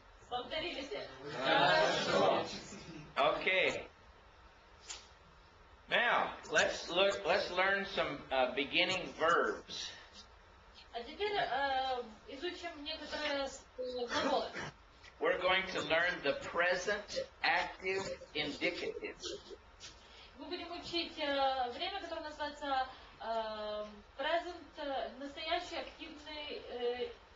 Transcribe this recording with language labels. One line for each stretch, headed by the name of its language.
Russian: Хорошо.
English: Okay. Now, let's learn some beginning verbs.
Russian: А теперь изучим некоторые глаголы.
English: We're going to learn the present active indicative.
Russian: Мы будем учить время, которое называется present настоящий активный